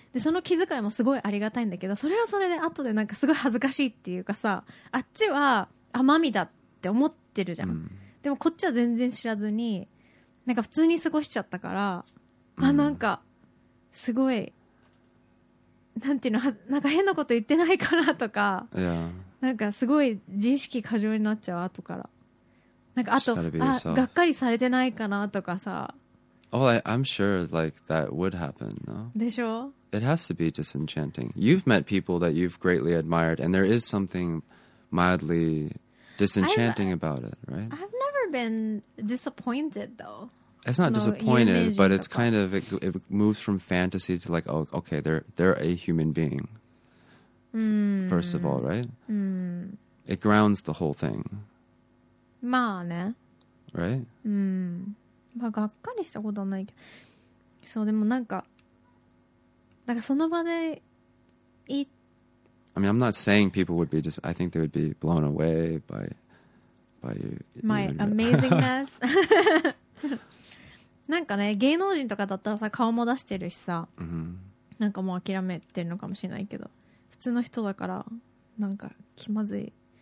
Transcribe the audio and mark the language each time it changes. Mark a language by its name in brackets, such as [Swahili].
[Japanese] でその気遣いもすごいありがたいんだけど、それはそれで後でなんかすごい恥ずかしいっていうかさ、あっちは甘みだって思ってるじゃん、でもこっちは全然知らずになんか普通に過ごしちゃったから、あなんかすごいなんていうのなんか変なこと言ってないかなとか、なんかすごい自意識過剰になっちゃう後からなんか、あとあがっかりされてないかなとかさ。 [English] Oh, I'm sure like that would happen, no? [Japanese] でしょ。 [English] It has to be disenchanting. You've met people that you've greatly admired and there is something mildlydisenchanting about it, right? I've never been disappointed though. It's not disappointed, but it's kind of, it moves from fantasy to like, oh, okay, they're a human being. First of all, right? It grounds the whole thing. [Japanese] まあね。 [English] Right? [Japanese] まあがっかりしたことはないけど。そう、でもなんかその場で言って、 [English] I mean, I'm not saying people would be just... I think they would be blown away by you. My amazingness. [Japanese] なんかね、芸能人とかだったらさ、顔も出してるしさ、なんかもう諦めてるのかもしれないけど、普通の人だから、なんか気まずい。